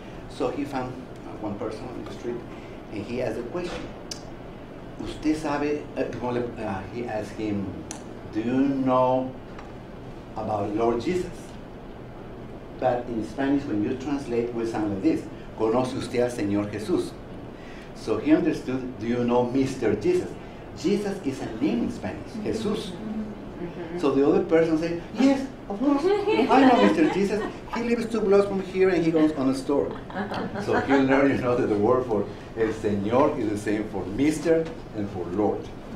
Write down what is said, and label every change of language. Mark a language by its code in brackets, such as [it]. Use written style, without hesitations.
[en] So he found one person on the street, and he asked a question. [es] Usted sabe, [en] he asked him, do you know about Lord Jesus? But in Spanish, when you translate, we sound like this. [es] ¿Conoce usted al Señor Jesús? [en] So he understood, do you know Mr. Jesus? Jesus is a name in Spanish, mm-hmm. Jesus. Mm-hmm. So the other person said, yes, of course, I know Mr. Jesus. He lives two blocks from here and he goes on a store. So he learned, you know, that the word for El Señor is the same for Mr. and for Lord.